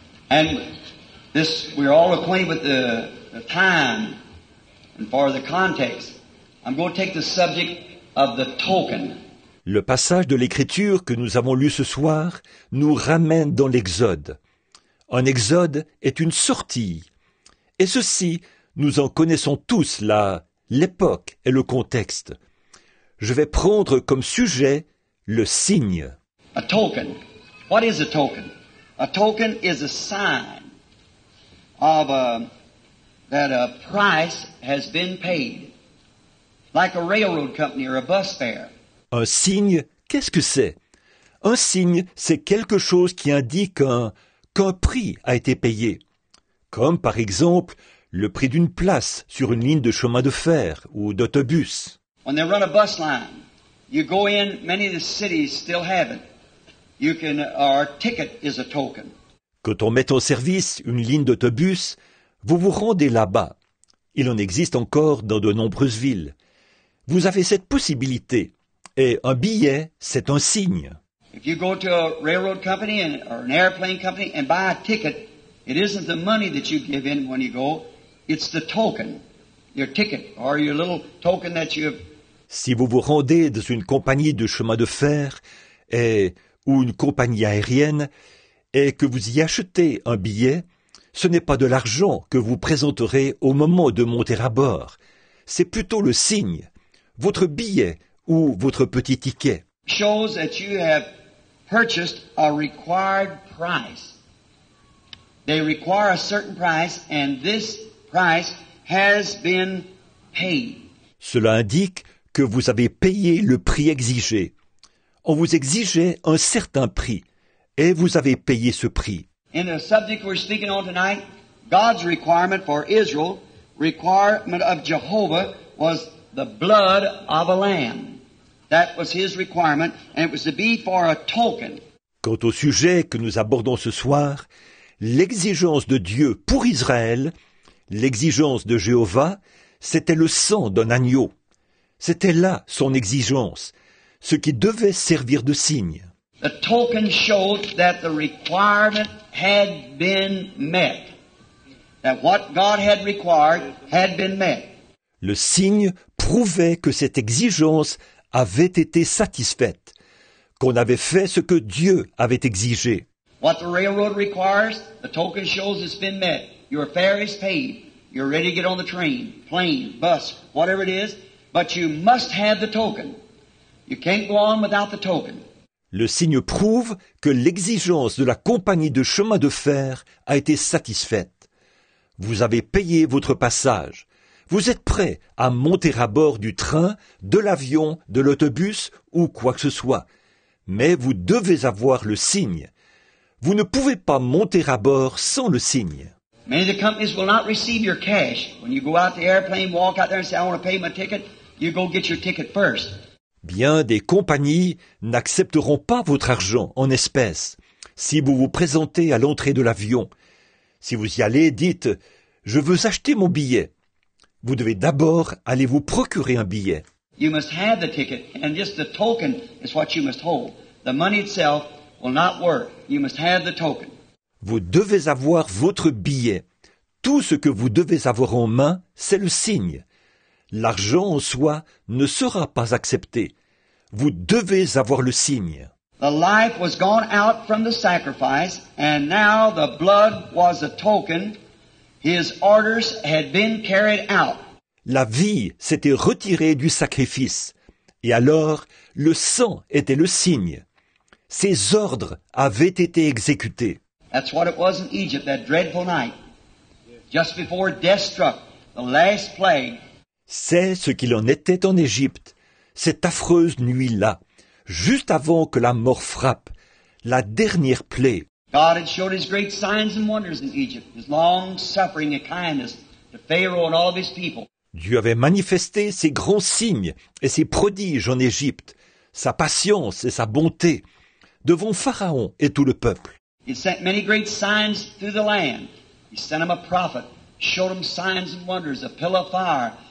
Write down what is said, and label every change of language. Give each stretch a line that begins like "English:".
English: And this, we're all acquainted with the time and for the context. I'm going to take the subject of the token.
French: Le passage de l'Écriture que nous avons lu ce soir nous ramène dans l'Exode. Un Exode est une sortie. Et ceci, nous en connaissons tous l'époque et le contexte. Je vais prendre comme sujet le signe.
English: A token. What is a token? A token is a sign of that a price has been paid. Like a railroad company or a bus fare.
French: Un signe, qu'est-ce que c'est? Un signe, c'est quelque chose qui indique qu'un prix a été payé. Comme par exemple, le prix d'une place sur une ligne de chemin de fer ou d'autobus.
English: When they run a bus line, you go in, many of the cities still have it. Our ticket is a token.
French: Quand on met en service une ligne d'autobus, vous vous rendez là-bas. Il en existe encore dans de nombreuses villes. Vous avez cette possibilité. Et un billet, c'est un signe.
English: If you go to a railroad company or an airplane company and buy a ticket, it isn't the money that you give in when you go, it's the token, your ticket or your little token that you have.
French: Si vous vous rendez dans une compagnie de chemin de fer ou une compagnie aérienne, et que vous y achetez un billet, ce n'est pas de l'argent que vous présenterez au moment de monter à bord. C'est plutôt le signe, votre billet ou votre petit ticket.
English: Shows that you have purchased a required price. They require a certain price, and this price has been paid.
French: Cela indique que vous avez payé le prix exigé. On vous exigeait un certain prix, et vous avez payé ce prix.
English: In the subject we're speaking on tonight, God's requirement for Israel, requirement of Jehovah, was the blood of a lamb. That was his requirement, and it was to be for a token.
French: Quant au sujet que nous abordons ce soir, l'exigence de Dieu pour Israël, l'exigence de Jéhovah, c'était le sang d'un agneau. C'était là son exigence, ce qui devait servir de signe.
English: The token showed that the requirement had been met. That what God had required had been met.
French: Le signe prouvait que cette exigence avait été satisfaite, qu'on avait fait ce que Dieu avait exigé.
English: What the railroad requires, the token shows it's been met. Your fare is paid. You're ready to get on the train, plane, bus, whatever it is, but you must have the token. You can't go on without the token.
French: Le signe prouve que l'exigence de la compagnie de chemin de fer a été satisfaite. Vous avez payé votre passage. Vous êtes prêt à monter à bord du train, de l'avion, de l'autobus ou quoi que ce soit. Mais vous devez avoir le signe. Vous ne pouvez pas monter à bord sans le signe.
English: Many of the companies will not receive your cash. When you go out the airplane, walk out there and say, I want to pay my ticket, you go get your ticket first.
French: Bien des compagnies n'accepteront pas votre argent en espèces si vous vous présentez à l'entrée de l'avion. Si vous y allez, dites, je veux acheter mon billet. Vous devez d'abord aller vous procurer un billet.
English: You must have the ticket, and just the token is what you must hold. The money itself will not work. You must have the token.
French: Vous devez avoir votre billet. Tout ce que vous devez avoir en main, c'est le signe. L'argent en soi ne sera pas accepté. Vous devez avoir le signe.
English: The life was gone out from the sacrifice, and now the blood was a token. His orders had been carried out.
French: La vie s'était retirée du sacrifice, et alors le sang était le signe. Ses ordres avaient été exécutés.
English: That's what it was in Egypt, that dreadful night. Just before death struck, the last plague.
French: C'est ce qu'il en était en Égypte, cette affreuse nuit-là, juste avant que la mort frappe, la dernière plaie.
English: God had showed his great signs and wonders in Egypt, his long suffering and kindness to Pharaoh and all of his people.
French: Dieu avait manifesté ses grands signes et ses prodiges en Égypte, sa patience et sa bonté devant Pharaon et tout le peuple.
English: He sent many great signs through the land. He sent him a prophet, showed him signs and wonders, a pillar of fire.